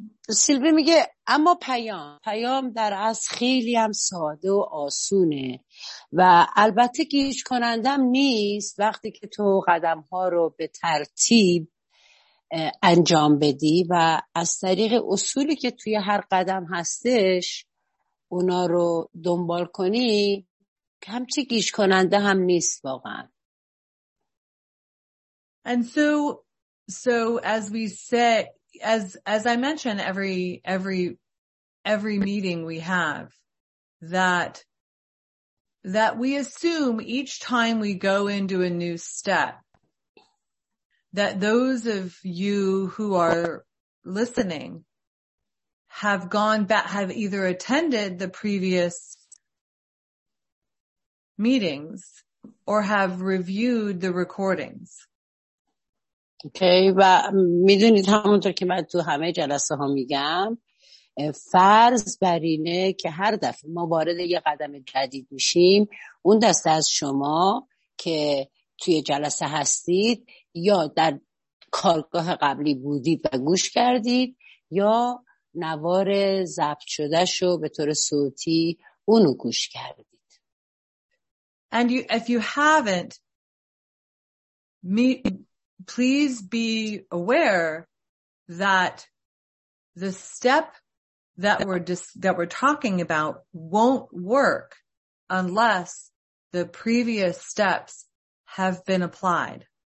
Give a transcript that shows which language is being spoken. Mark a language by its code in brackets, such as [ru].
[fa] سیلوی میگه اما پیام در اصل خیلی هم ساده و آسونه و البته گیج کنندم نیست وقتی که تو قدم ها رو به ترتیب انجام بدی و از طریق اصولی که توی هر قدم هستش اونا رو دنبال کنی همچی گیج کننده هم نیست واقعا. [en] And so as we say, as I mention every meeting we have, that we assume each time we go into a new step that those of you who are listening have gone back, have either attended the previous meetings or have reviewed the recordings. [fa] اوکی و میدونید همونطور که من تو همه جلسه ها میگم فرض بر اینه که هر دفعه ما وارد یه قدم جدید میشیم اون دسته از شما که توی جلسه هستید یا در کارگاه قبلی بودید و گوش کردید یا نوار ضبط شده شو به طور صوتی اونو گوش کردید. [en] And you, if you haven't please be aware that the step that we're talking about won't work unless the previous steps have been applied.